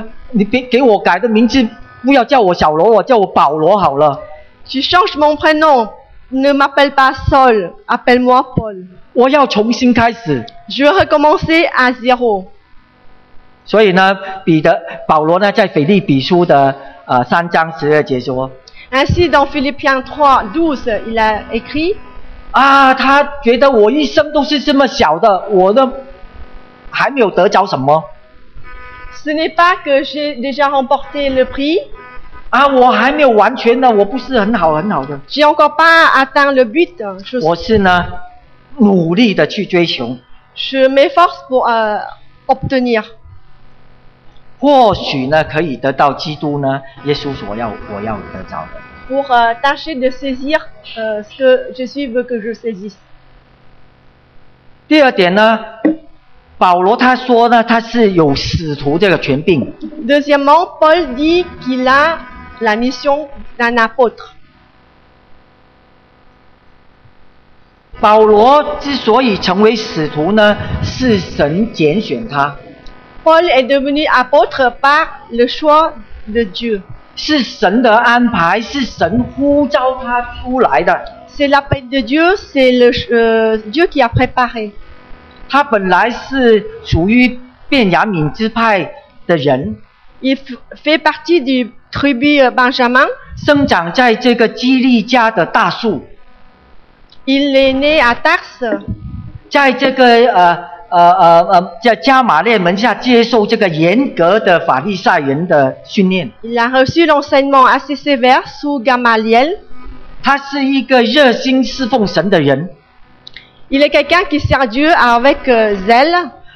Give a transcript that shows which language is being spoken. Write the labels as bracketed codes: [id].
[zh] 你别给我改的名字，不要叫我小罗罗，叫我保罗好了。 [fr] Tu changes mon prénom, ne m'appelle pas Saul, appelle-moi Paul. [zh] 我要重新开始。 [fr] Je veux recommencer à zéro. [zh] 所以呢，保罗呢，在腓立比书的三章十二节说。 [fr] Ainsi, dans Philippiens 3:12, il a écrit. [zh] Ah, 他觉得我一生都是这么小的，我呢还没有得着什么。 [fr] Ce n'est pas que j'ai déjà remporté le prix. [zh] Ah, 我还没有完全的，我不是很好很好的。 [fr] J'ai encore pas atteint le but. [zh] 我是呢努力的去追求。 [fr] Je m'efforce pour obtenir. [zh] 或许呢可以得到基督呢耶稣所要我要得着的。 [fr] Pour tâcher de saisir ce que je suis veut que je saisisse. [zh] 第二点呢，保罗他说呢他是有使徒这个权柄。 [fr] Deuxièmement, Paul dit qu'il a la mission d'un apôtre. [zh] 保罗之所以成为使徒呢是神拣选他。 [fr] Paul est devenu apôtre par le choix de Dieu. [zh] 是神的安排，是神呼召他出来的。 [fr] C'est l'appel de Dieu, c'est le Dieu qui a préparé. [zh] 他本来是属于便雅悯支派的人。 [fr] Il fait partie du tribu Benjamin. [zh] 生长在这个基利家的大树。 [fr] Il est né à Tars. [zh] 在这个在加玛列门下接受这个严格的法利赛人的训练。 [fr] Il a reçu l'enseignement assez sévère sous Gamaliel. [zh] 他是一个热心侍奉神的人。 [fr] Il est quelqu'un qui sert Dieu avec zèle.